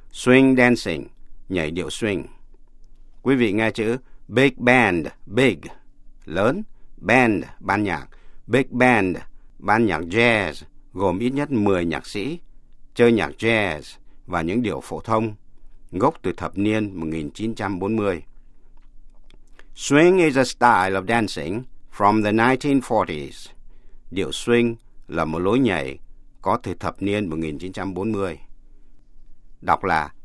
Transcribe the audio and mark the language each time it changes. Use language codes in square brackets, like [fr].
[vi] Swing dancing, nhảy điệu swing. Quý vị nghe chữ big band, big, lớn, band, ban nhạc. Big band, ban nhạc jazz, gồm ít nhất 10 nhạc sĩ, chơi nhạc jazz và những điệu phổ thông, gốc từ thập niên 1940. [en] Swing is a style of dancing from the 1940s. [vi] Điệu swing là một lối nhảy có từ thập niên 1940. Đọc là